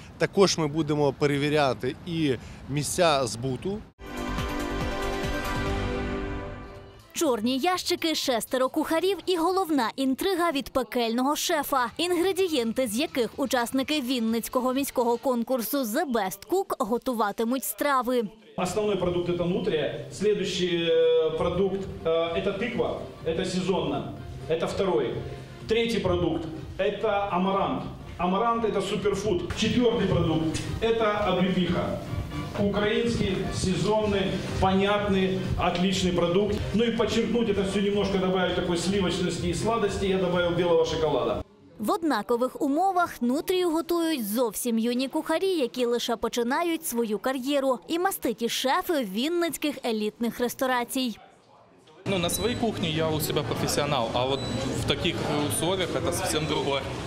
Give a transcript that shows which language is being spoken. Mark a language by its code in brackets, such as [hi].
[uk] Також ми будемо перевіряти і місця збуту. Чорні ящики, шестеро кухарів і головна інтрига від пекельного шефа. Інгредієнти, з яких учасники Вінницького міського конкурсу «The Best Cook» готуватимуть страви. [ru] Основной продукт – это нутрия. Следующий продукт – это тыква, это сезонно, это второй. Третий продукт – это амарант. Амарант – это суперфуд. Четвертый продукт – это облепиха. Украинский, сезонный, понятный, отличный продукт. Ну и подчеркнуть это все немножко, добавить такой сливочности и сладости, я добавил белого шоколада. [uk] В однакових умовах нутрію готують зовсім юні кухарі, які лише починають свою кар'єру. І маститі шефи вінницьких елітних ресторацій. Ну, на своїй кухні я у себе професіонал, а от в таких умовах це зовсім інше.